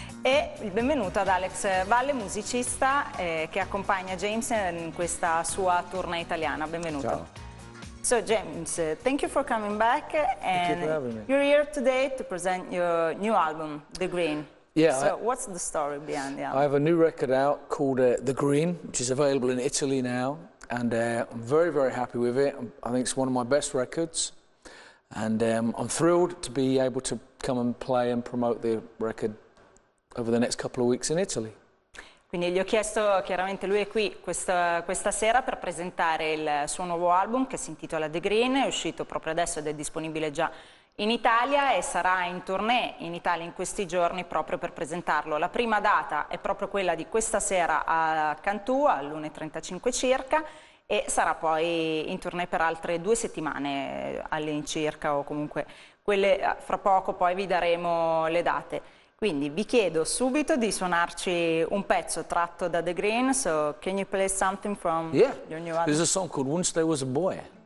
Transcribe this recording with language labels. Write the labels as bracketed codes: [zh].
[it] E il benvenuto ad Alex Valle, musicista che accompagna James in questa sua tournée italiana. Benvenuto. Ciao. [en] So James, thank you for coming back. And thank you for having me. You're here today to present your new album, The Green. Yeah. So what's the story behind the album? I have a new record out called The Green, which is available in Italy now. And I'm very, very happy with it. I think it's one of my best records. And I'm thrilled to be able to come and play and promote the record over the next couple of weeks in Italy. [it] Quindi gli ho chiesto, chiaramente lui è qui questa sera per presentare il suo nuovo album che si intitola The Green, è uscito proprio adesso ed è disponibile già in Italia e sarà in tournée in Italia in questi giorni proprio per presentarlo. La prima data è proprio quella di questa sera a Cantù all'1:35 circa e sarà poi in tournée per altre due settimane all'incirca o comunque quelle fra poco, poi vi daremo le date. Quindi vi chiedo subito di suonarci un pezzo tratto da The Green. [en] So can you play something from your new album? Yeah, there's a song called Once There Was a Boy.